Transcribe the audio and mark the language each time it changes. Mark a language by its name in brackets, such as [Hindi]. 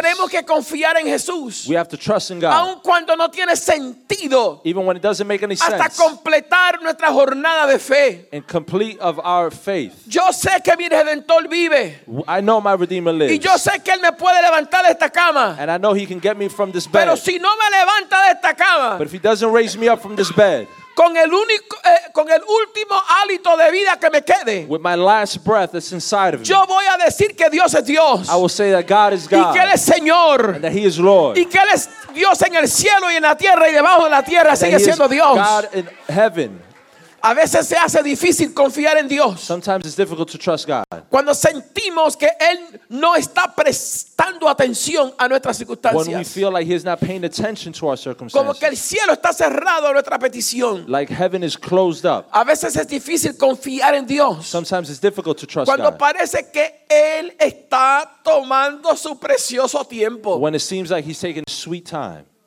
[Spanish] tenemos que confiar en Jesús. [English] We have to trust in God. [Spanish] Aun cuando no tiene sentido, [English] even when it doesn't make any [Spanish] hasta [English] sense, [Spanish] completar nuestra jornada de fe. [English] And complete of our faith. [Spanish] Yo sé que mi Redentor vive. [English] I know my Redeemer lives. [Spanish] Y yo sé que Él me puede levantar de esta cama. [English] And I know He can get me from this bed. [Spanish] Pero si no me levanta de esta cama, [English] but if He doesn't raise me up from this bed, [Spanish] con el último hálito de vida que me quede, [English] with my last breath that's inside of me, [Spanish] yo voy a decir que Dios es Dios. [English] I will say that God is God. [Spanish] Y que Él es Señor. [English] And that He is Lord. [Spanish] Y que Él es Dios en el cielo y en la tierra y debajo de la tierra, sigue siendo Dios. [English] God in heaven. [Spanish] A veces se hace difícil confiar en Dios. [English] Sometimes it's difficult to trust God. [Spanish] Cuando sentimos que Él no está prestando atención a nuestras circunstancias. [English] When we feel like He is not paying attention to our circumstances. [Spanish] Como que el cielo está cerrado a nuestra petición. [English] Like heaven is closed up. [Spanish] A veces es difícil confiar en Dios. [English] Sometimes it's difficult to trust [Spanish] cuando [English] God. [Spanish] Cuando parece que Él está tomando su precioso tiempo. [English] When it seems like He's taking sweet time.